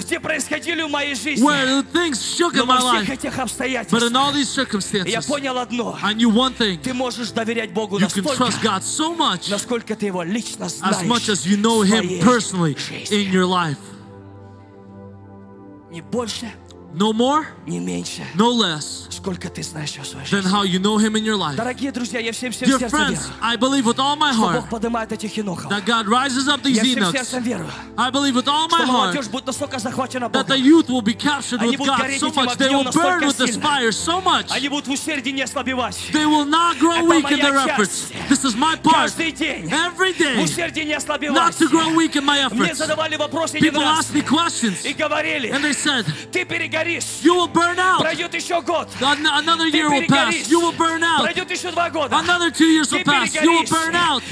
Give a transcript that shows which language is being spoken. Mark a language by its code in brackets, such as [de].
[ru] Где происходили в моей жизни. [en] Where things shook in my life. [ru] Но во всех этих обстоятельствах. [en] But in all these circumstances. [ru] Я понял одно. [en] I knew one thing. [ru] Ты можешь доверять Богу настолько. [en] You can trust God so much. [ru] Насколько ты его лично знаешь. [en] As much as you know Him personally in your life. [ru] Не больше. [en] No more. [ru] Не меньше. [en] No less. [ru] Сколько ты знаешь о своей жизни. [en] Than how you know Him in your life. [ru] Дорогие друзья, я всем сердцем верю. [en] Dear friends, I believe with all my heart. [ru] Что Бог поднимает этих Енохов. [en] That God rises up these Enochs. [ru] Я всем сердцем верю. [en] I believe with all my heart. [ru] Что молодежь будет настолько захвачена Богом. [en] That the youth will be captured with God so much. They will burn with this fire so much. [ru] Они будут в усердии не ослабевать. [en] They will not grow weak in their efforts. This is my part. [ru] Каждый день. [en] Every day. [ru] В усердии не ослабевать. [en] Not to grow weak in my efforts. [ru] Мне задавали вопросы [en] People asked me questions. [ru] И говорили. [en] And they said. [ru] Ты перегоняешь. перегоришь. [en] You will burn out. [ru] Пройдет еще год. [en] Another year will pass. You will burn out. Пройдет еще два года. Another 2 years will pass. You will burn out.